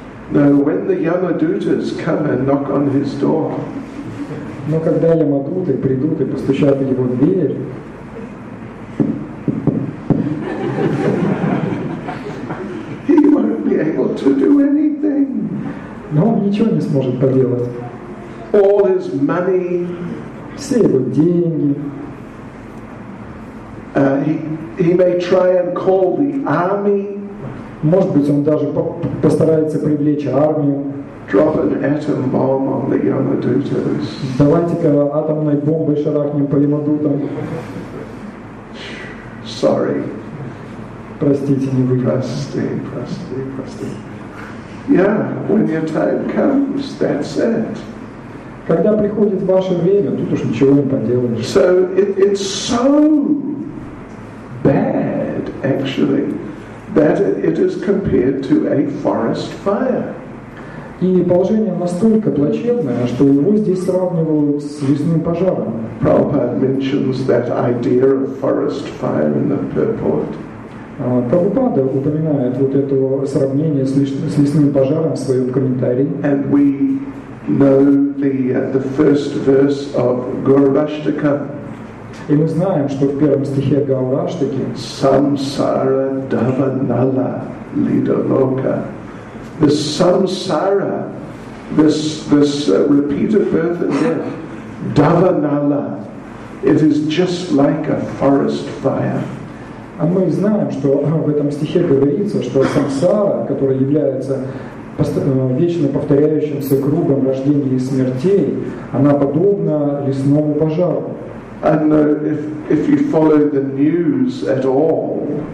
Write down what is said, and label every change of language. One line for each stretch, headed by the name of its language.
English: No, when the Yamadutas come and knock on his door.
Russian: Но когда Ямадуты придут и постучат в его дверь.
English: He won't be able to do anything.
Russian: Но он ничего не сможет поделать.
English: All his money.
Russian: Все его деньги.
English: He may try and call the army.
Russian: Может быть, он даже постарается привлечь армию.
English: Drop an atom bomb on the Yamadutas.
Russian: Давайте-ка атомной бомбой шарахнем по Ямадутам.
English: Sorry.
Russian: Простите, не выйдет. Прости.
English: Yeah, when your time comes, that's it.
Russian: Когда приходит ваше время, тут уж ничего не поделаешь.
English: So it's so bad, actually, that it is compared to a forest fire.
Russian: И положение настолько плачевное, что его здесь сравнивают с лесным пожаром.
English: Prabhupada mentions that idea of forest fire in the purport.
Russian: Прабхупада упоминает вот это сравнение с лесным пожаром в своем комментарии.
English: And we know the first verse of Gaurashtaka.
Russian: И мы знаем, что в первом стихе Гаураштаки
Sanskrit: Самсара Даванала Лидалока.
English: The samsara, this repeated birth and death, Davanala, it is just like a forest fire.
Russian: А мы знаем, что в этом стихе говорится, что самсара, которая является вечно повторяющимся кругом рождения и смертей, она подобна лесному пожару.
English: And if you follow the news at all,